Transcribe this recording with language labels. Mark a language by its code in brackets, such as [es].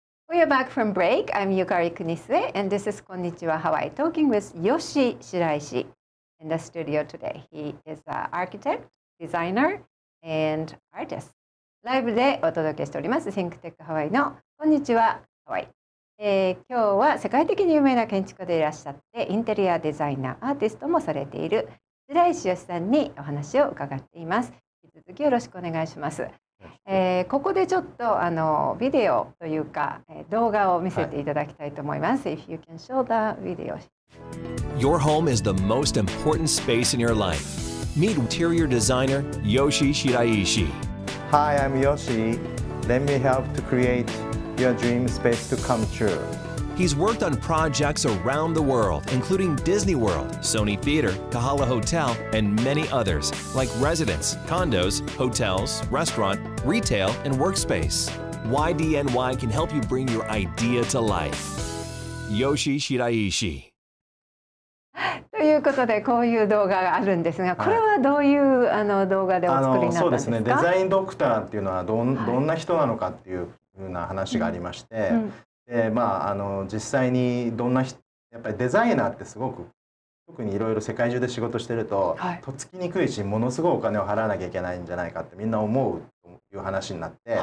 [en] We are back from break. I'm Yukari Kunisue, and this is Konnichiwa Hawaii, talking with Yoshi Shiraishi in the studio today. He is an architect, designer, and artist. [ja] ライブでお届けしております、ThinkTech Hawaii の Konnichiwa Hawaii、今日は世界的に有名な建築家でいらっしゃって、インテリアデザイナー、アーティストもされている Shiraishi Yoshi さんにお話を伺っています。引き続きよろしくお願いします。ここでちょっとあのビデオというか、動画を見せていただきたいと思います。 [en] はい、If you can show the video. Your home is the most important space in your life. Meet interior designer Yoshi Shiraishi. Hi, I'm Yoshi. Let me help to create your dream space to come true. He's worked on projects around the world, including Disney World, Sony Theater, Kahala Hotel, and many others, like residents, condos, hotels, restaurant, retail, and workspace. YDNY can help you bring your idea to life. Yoshi Shiraishi. [ja] ということでこういう動画があるんですが、これはどういう、はい、あの動画でお作りになったんですか？そうですね、デザインドクターっていうのは どんな人なのかっていうふうな話がありまして、はい、でまあ、あの実際にどんな人、やっぱりデザイナーってすごく特にいろいろ世界中で仕事してると、はい、とっつきにくいし、ものすごいお金を払わなきゃいけないんじゃないかってみんな思うという話になって、